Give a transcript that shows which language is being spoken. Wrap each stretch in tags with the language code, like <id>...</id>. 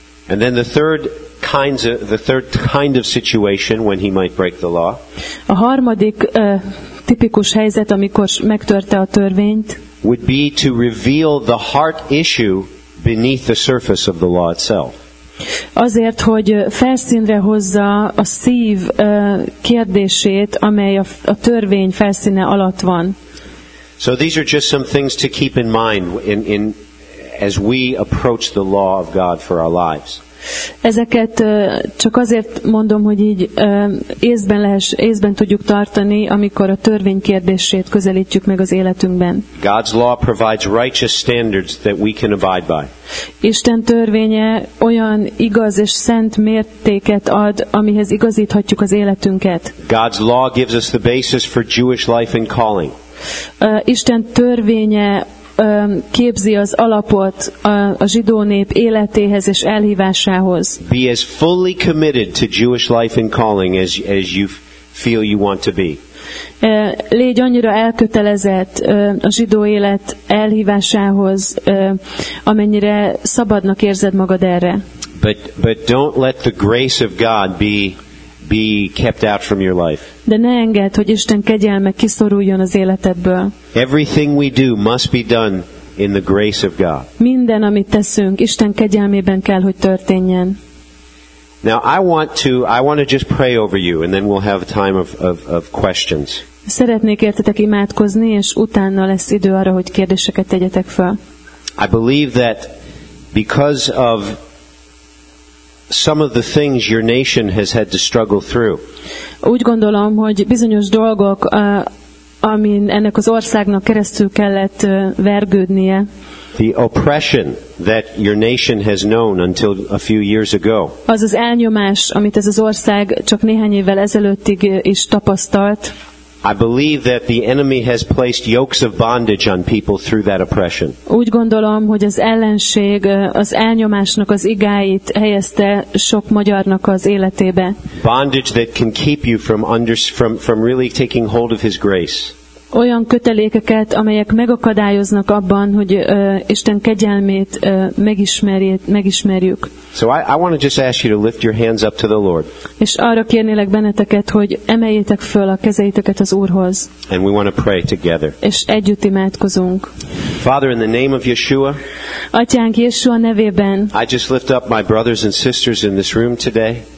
<en>And then the third kind of situation when he might break the law.</en> <hu>A harmadik tipikus helyzet, amikor megtörte a törvényt,</hu> <en>would be to reveal the heart issue beneath the surface of the law itself.</en> <hu>Azért, hogy felszínre hozza a szív kérdését, amely a törvény felszíne alatt van.</hu> <en>So these are just some things to keep in mind in as we approach the law of God for our lives.</en> <hu>Ezeket csak azért mondom, hogy így észben tudjuk tartani, amikor a törvény kérdését közelítjük meg az életünkben.</hu> <en>God's law provides righteous standards that we can abide by.</en> <hu>Isten törvénye olyan igaz és szent mértéket ad, amihez igazíthatjuk az életünket.</hu> <en>God's law gives us the basis for Jewish life and calling.</en> <hu>Isten törvénye képzi az alapot a zsidó nép életéhez és elhívásához.</hu> <en>Be as fully committed to Jewish life and calling as you feel you want to be.</en> <hu>Légy annyira elkötelezett a zsidó élet elhívásához, amennyire szabadnak érzed magad erre.</hu> <en>But don't let the grace of God be kept out from your life.</en> <hu>De ne engedd, hogy Isten kegyelme kiszoruljon az életedből.</hu> <en>Everything we do must be done in the grace of God.</en> <hu>Minden, amit teszünk, Isten kegyelmében kell, hogy történjen.</hu> <en>Now I want to just pray over you, and then we'll have a time of questions.</en> <hu>Szeretnék értetek imádkozni, és utána lesz idő arra, hogy kérdéseket tegyetek fel.</hu> <en>I believe that because of some of the things your nation has had to struggle through.</en> <hu>Úgy gondolom, hogy bizonyos dolgok, amin ennek az országnak keresztül kellett vergődnie.</hu> <en>The oppression that your nation has known until a few years ago.</en> <hu>Az az elnyomás, amit ez az ország csak néhány évvel ezelőttig is tapasztalt.</hu> <en>I believe that the enemy has placed yokes of bondage on people through that oppression.</en> <hu>Úgy gondolom, hogy az ellenség az elnyomásnak az igáit helyezte sok magyarnak az életébe.</hu> <en>Bondage that can keep you from really taking hold of his grace.</en> <hu>Olyan kötelékeket, amelyek megakadályoznak abban, hogy Isten kegyelmét megismerjük.</hu> <en>So I want to just ask you to lift your hands up to the Lord.</en> <hu>És arra kérnélek benneteket, hogy emeljétek föl a kezeiteket az Úrhoz.</hu> <en>And we want to pray together.</en> <hu>És együtt imádkozunk.</hu> <en>Father, in the name of Yeshua.</en> <hu>Atyánk, Yeshua nevében.</hu> <en>I just lift up my brothers and sisters in this room today.</en>